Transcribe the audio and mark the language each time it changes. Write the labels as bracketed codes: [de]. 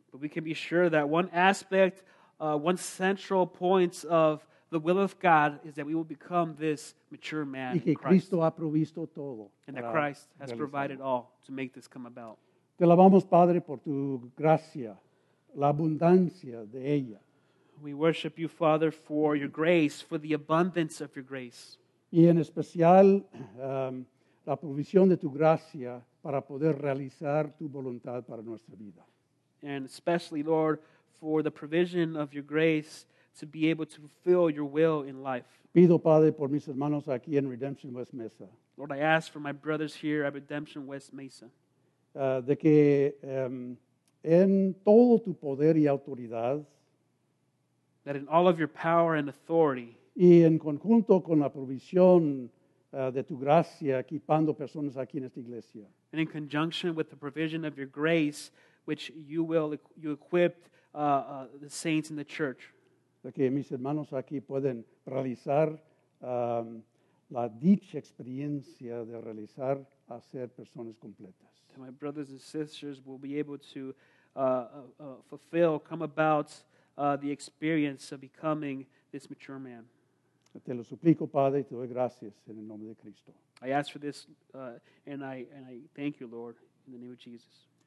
[en] But we can be sure that one aspect, one central point of the will of God is that we will become this mature man in [es] Christ. Y que Cristo ha provisto todo. [en] And that Christ has provided all to make this come about. [es] Te alabamos, Padre, por tu gracia, la abundancia de ella. [en] We worship you, Father, for your grace, for the abundance of your grace. [es] Y en especial, la provisión de tu gracia para poder realizar tu voluntad para nuestra vida. [en] And especially, Lord, for the provision of your grace to be able to fulfill your will in life. [es] Pido, Padre, por mis hermanos aquí en Redemption West Mesa. [en] Lord, I ask for my brothers here at Redemption West Mesa. [es] De que en todo tu poder y autoridad, [en] that in all of your power and authority, [es] y en conjunto con la provisión de tu gracia, equipando personas aquí en esta iglesia, [en] and in conjunction with the provision of your grace, which you equipped the saints in the church, [es] de que mis hermanos aquí pueden realizar la dicha experiencia de realizar a ser personas completas. [en] That my brothers and sisters will be able to fulfill, come about the experience of becoming this mature man. [es] Te lo suplico, Padre, y te doy gracias en el nombre de Cristo. [en] I ask for this, and I thank you, Lord, in the name of Jesus.